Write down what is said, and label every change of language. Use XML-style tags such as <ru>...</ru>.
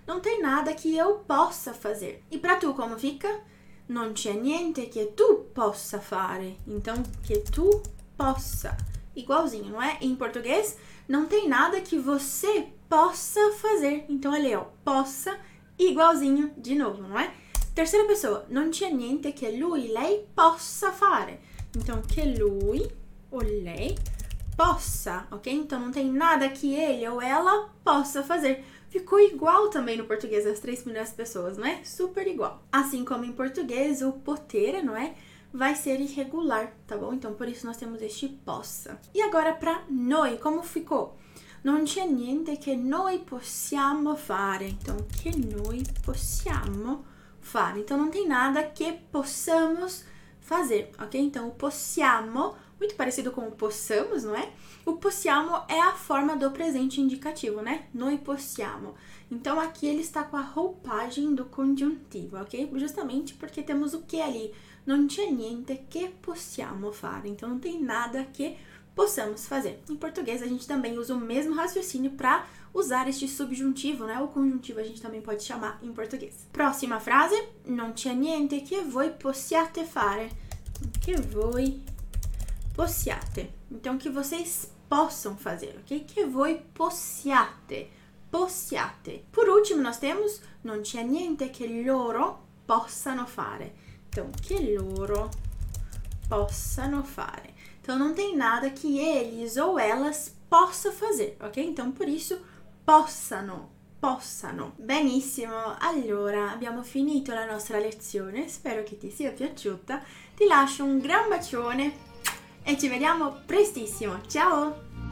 <pt>Não tem nada que eu possa fazer. E pra tu, como fica?</pt> <it>Non c'è niente che tu possa fare.</it> <pt>Então,</pt> <it>che tu possa.</it> <pt>Igualzinho, não é? Em português, não tem nada que você possa fazer. Então, ali, ó, possa, igualzinho, de novo, não é? Terceira pessoa,</pt> <it>non c'è niente che lui, lei possa fare.</it> <pt>Então,</pt> <it>che lui ou lei possa, ok?</it> <pt>Então, não tem nada que ele ou ela possa fazer. Ficou igual também no português as três primeiras pessoas, não é? Super igual. Assim como em português, o potere, não é? Vai ser irregular, tá bom? Então, por isso nós temos este possa. E agora, para noi, como ficou?</pt> <it>Non c'è niente che noi possiamo fare. Então, che noi possiamo fare.</it> <pt>Então, não tem nada que possamos fazer, ok? Então, o possiamo, muito parecido com o possamos, não é? O possiamo é a forma do presente indicativo, né?</pt> <it>Noi possiamo.</it> <pt>Então, aqui ele está com a roupagem do congiuntivo, ok? Justamente porque temos o que ali?</pt> <it>Non c'è niente che possiamo fare.</it> <pt>Então, não tem nada que possamos fazer. Em português, a gente também usa o mesmo raciocínio para usar este subjuntivo, né? O conjuntivo a gente também pode chamar em português. Próxima frase.</pt> <it>Non c'è niente che voi possiate fare. Che voi possiate.</it> <pt>Então, que vocês possam fazer, ok?</pt> <it>Che voi possiate. Possiate.</it> <pt>Por último, nós temos</pt> <it>non c'è niente che loro possano fare. Então, che loro possano fare.</it> <pt>Então, não tem nada que eles ou elas possam fazer, ok? Então, por isso, possano, possano.</pt> <it>Benissimo, allora, abbiamo finito la nostra lezione. Spero che ti sia piaciuta. Ti lascio un gran bacione e ci vediamo prestissimo. Ciao!</it>